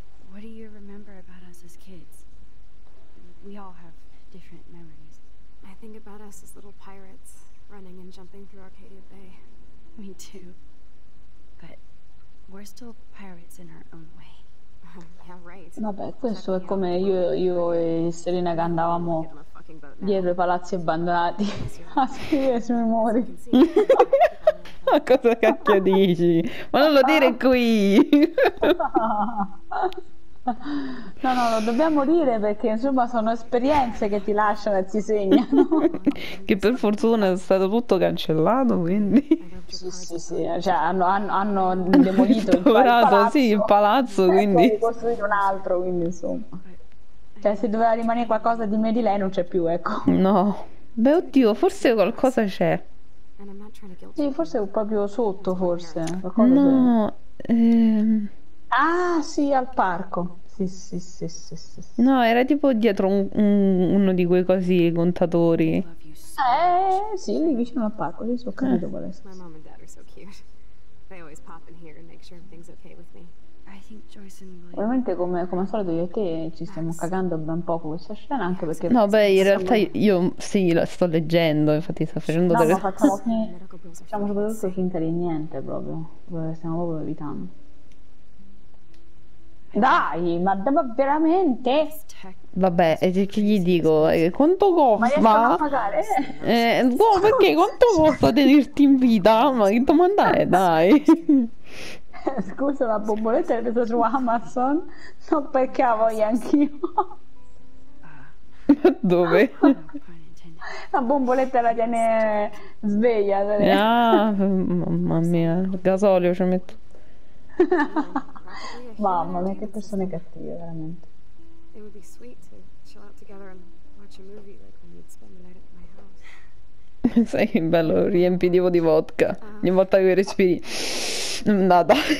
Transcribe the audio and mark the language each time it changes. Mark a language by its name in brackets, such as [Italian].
[English] What do you remember about us as kids? We all have different memories. I think about us as little pirates running and jumping through Arcadia Bay. Me too. But we're still pirates in our own way. Yeah, right. [Italian] Vabbè, questo è come io e Serena che andavamo dietro i palazzi abbandonati a scrivere sui rumori. Ma cosa cacchio dici? Ma non lo dire qui! No, no, lo dobbiamo dire perché insomma sono esperienze che ti lasciano e ti segnano. Che per fortuna è stato tutto cancellato, quindi sì, cioè hanno demolito il palazzo quindi costruito un altro, quindi insomma, cioè se doveva rimanere qualcosa di me di lei non c'è più, ecco. No, beh, oddio, forse qualcosa c'è, sì, forse proprio sotto, forse no c'è. Ah, sì, al parco. Sì. No, era tipo dietro uno di quei cosi contatori. Sì, lì vicino al parco. Sì, ho capito qual è. [English] My mom and dad are so cute. They always pop in here and make sure everything's okay with me. I think Joyce and William... [Italian] Ovviamente, come al solito, io e te ci stiamo cagando ben poco questa scena, anche perché... No, beh, in realtà io sì, la sto leggendo, infatti sto facendo... No, delle... ma facciamo soprattutto finta di niente, proprio. Stiamo proprio evitando. Dai, ma veramente? Vabbè, che gli dico? Quanto costa? Ma riesco a pagare? Boh, perché quanto costa tenerti in vita? Ma che domanda è? Dai. Scusa, la bomboletta è presa su Amazon? No, perché la voglio anch'io. Ma dove? La bomboletta la tiene sveglia. Ah, mamma mia, il gasolio ci metto. Mamma mia, che persone cattive, veramente. [English] It would be sweet to chill out together and watch a movie like when you'd spend the night at my house. [Italian] Sai che bello, riempitivo di vodka. Ogni volta che respiri. Andata.